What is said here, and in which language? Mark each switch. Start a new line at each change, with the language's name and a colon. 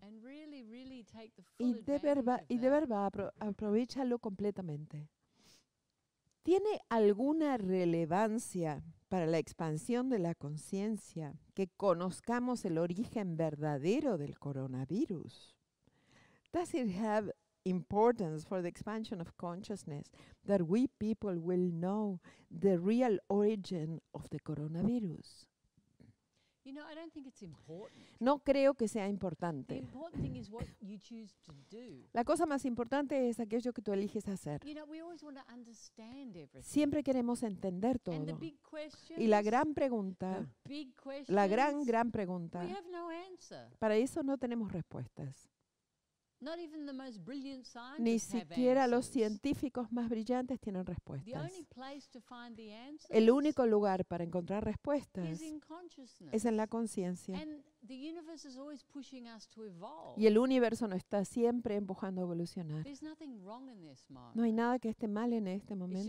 English: And really, really take the full
Spanish: y de
English: advantage
Spanish: verdad, aprovéchalo completamente. ¿Tiene alguna relevancia para la expansión de la conciencia que conozcamos el origen verdadero del coronavirus?
English: Does it have importance for the expansion of consciousness that we people will know the real origin of the coronavirus? You know, I don't think it's important.
Spanish: No creo que sea importante.
English: The important thing is what you choose to do.
Spanish: La cosa más importante es aquello que tú eliges hacer.
English: You know, we always want to understand everything.
Spanish: Siempre queremos entender todo.
English: And the big questions,
Spanish: y la gran pregunta,
English: the big questions,
Spanish: la gran pregunta,
English: we have no answer.
Spanish: Para eso no tenemos respuestas.
English: Not even the most brilliant scientists
Spanish: ni siquiera have los científicos más brillantes tienen respuestas.
English: The only place to find the answers,
Spanish: el único lugar para encontrar respuestas,
English: is in consciousness.
Spanish: Es en la conciencia.
English: And the universe is always pushing us to evolve.
Spanish: Y el universo nos está siempre empujando a evolucionar.
English: There's nothing wrong in this moment.
Spanish: No hay nada que esté mal en este momento.